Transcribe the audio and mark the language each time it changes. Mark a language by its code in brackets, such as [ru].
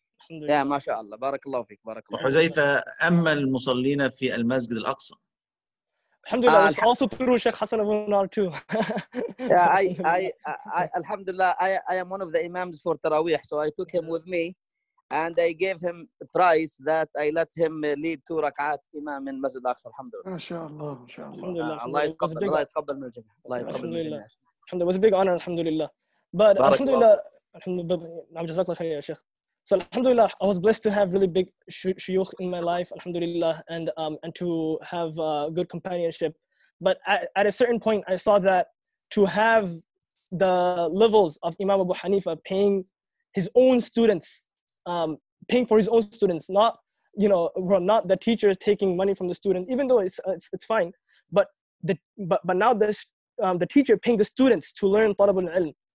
[ar] يا ما شاء الله بارك الله فيك بارك الله حذيفة أما المصلين في المسجد الأقصى الحمد لله [en] I also through Sheikh Hassan Abu Nar too I [ar] الحمد لله [en] I am one of the imams for Taraweeh so I took him with me and I gave him a prize that I let him lead two ركعات [ar] إمام من المسجد الأقصى الحمد لله ما شاء الله ما شاء الله الله يتقبل الله يتقبل من الجميع الله يتقبل من الجميع الحمد لله [en] was a big honor [ar] الحمد لله but الحمد لله نعم جزاك الله خير يا شيخ [en] So alhamdulillah, I was blessed to have really big shuyukh in my life, alhamdulillah, and to have good companionship. But at a certain point, I saw that to have the levels of Imam Abu Hanifa paying his own students, paying for his own students, not the teachers taking money from the students, even though it's fine, but now the teacher paying the students to learn talabul ilm.